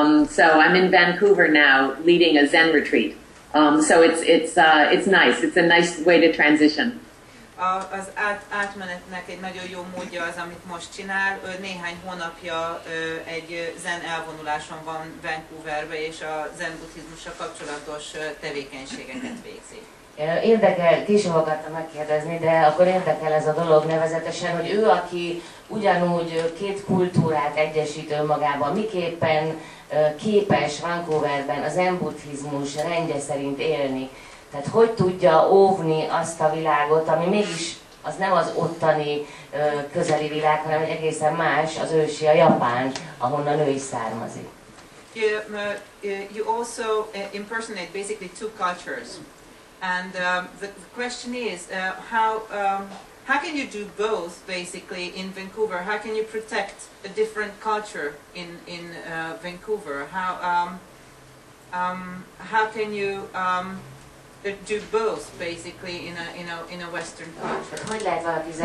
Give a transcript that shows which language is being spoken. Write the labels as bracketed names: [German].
[English] So I'm in Vancouver now leading a Zen retreat. So it's nice. It's a nice way to transition. [Hungarian] Az átmenetnek egy nagyon jó módja az, amit most csinál. Néhány hónapja egy Zen elvonuláson van Vancouverbe, és a Zen buddhizmusra kapcsolatos tevékenységeket végzi. Érdekel, később akartam megkérdezni, de akkor érdekel ez a dolog nevezetesen, hogy ő, aki ugyanúgy két kultúrát egyesít önmagában, miképpen képes Vancouverben a zen buddhizmus rendje szerint élni. Tehát hogy tudja óvni azt a világot, ami mégis az nem az ottani közeli világ, hanem egy egészen más, az ősi, a Japán, ahonnan ő is származik. [English] You also impersonate basically two cultures. And the question is, how can you do both, basically, in Vancouver? How can you protect a different culture in Vancouver? How can you do both, basically, in a Western culture?